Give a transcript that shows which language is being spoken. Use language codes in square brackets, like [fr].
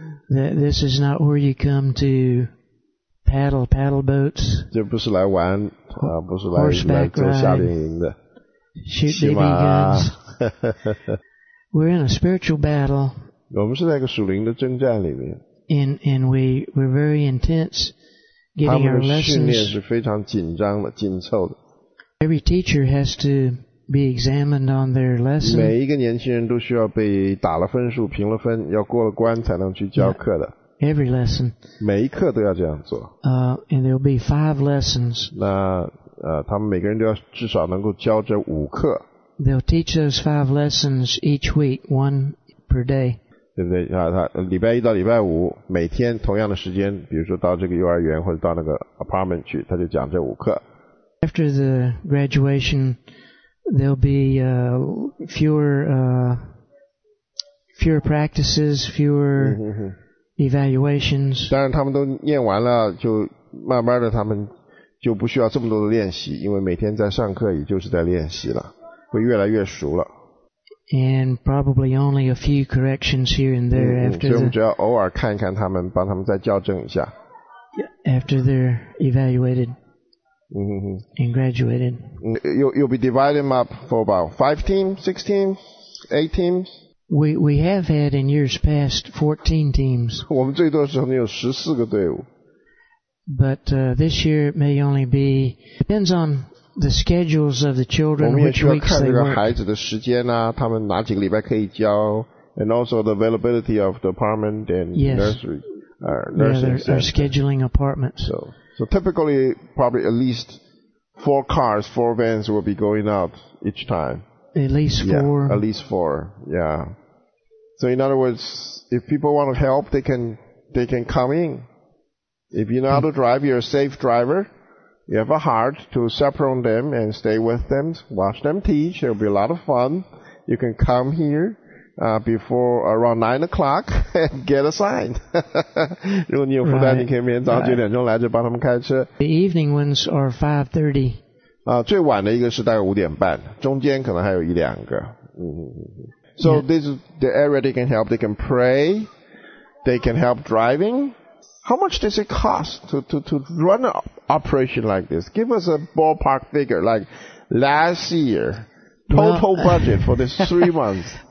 [en] This is not where you come to paddle boats. [zh] 这不是来玩啊，不是来做夏令营的。 [en] Shoot BB guns. We're in a spiritual battle. [zh] 我们是在一个属灵的征战里面。 [en] And we're very intense getting our lessons. [zh] 他们的训练是非常紧张的，紧凑的。 [en] Every teacher has to be examined on their lesson. [zh] 每一个年轻人都需要被打了分数，评了分，要过了关才能去教课的。 [en] Every lesson. [zh] 每一课都要这样做。 [en] And there'll be 5 lessons. [zh] 那他们每个人都要至少能够教这5课。 [en] They'll teach those 5 lessons each week, 1 per day. [zh] 对不对？礼拜一到礼拜五，每天同样的时间，比如说到这个幼儿园或者到那个 apartment 去，他就讲这5课。 [en] After the graduation, there'll be fewer practices, fewer evaluations. [zh] 当然他们都念完了，就慢慢的他们就不需要这么多的练习，因为每天在上课也就是在练习了，会越来越熟了。 [en] And probably only a few corrections here and there after. [zh] 所以我们只要偶尔看一看他们，帮他们再校正一下。 [en] After they're evaluated. Mm-hmm. And graduated. You'll be dividing them up for about 5 teams, 6 teams 8 teams? We have had in years past 14 teams. [zh] 我们最多时候有14个队伍。 [en] But this year it may only be, depends on the schedules of the children, which weeks they work. [zh] 我们也需要看这个孩子的时间啊，他们哪几个礼拜可以教， [en] and also the availability of the apartment and nursery. Our scheduling apartments. So typically, probably at least four vans will be going out each time. At least four. Yeah. So in other words, if people want to help, they can come in. If you know how to drive, you're a safe driver. You have a heart to chaperone them and stay with them, watch them teach. It'll be a lot of fun. You can come here. Before around 9 o'clock, get assigned. [zh] 如果你有负担，你可以明天早上9点钟来这帮他们开车。 [en] The evening ones are 5:30. [zh] 最晚的一个是大概5:30，中间可能还有一两个。 [en] So this is the area they can help. They can pray. They can help driving. How much does it cost to run an operation like this? Give us a ballpark figure. Like last year. Total budget for this 3 months.